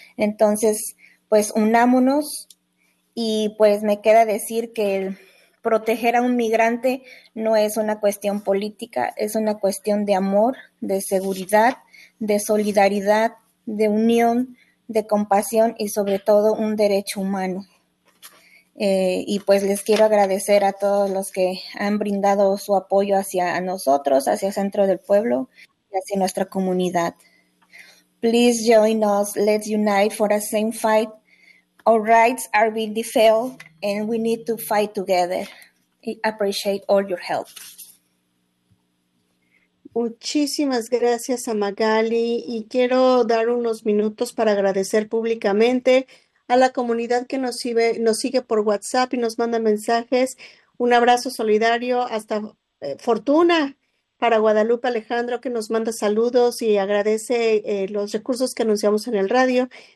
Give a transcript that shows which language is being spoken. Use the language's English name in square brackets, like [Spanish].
[Spanish] Entonces, pues unámonos. Y pues me queda decir que el proteger a un migrante no es una cuestión política, es una cuestión de amor, de seguridad, de solidaridad, de unión, de compasión y sobre todo un derecho humano. Y pues les quiero agradecer a todos los que han brindado su apoyo hacia nosotros, hacia el Centro del Pueblo y hacia nuestra comunidad. [English] Please join us, let's unite for a same fight. Our rights are being defiled, and we need to fight together. I appreciate all your help. [Spanish] Muchísimas gracias a Magali, y quiero dar unos minutos para agradecer públicamente a la comunidad que nos sigue por WhatsApp y nos manda mensajes. Un abrazo solidario hasta Fortuna para Guadalupe Alejandro, que nos manda saludos y agradece los recursos que anunciamos en el radio.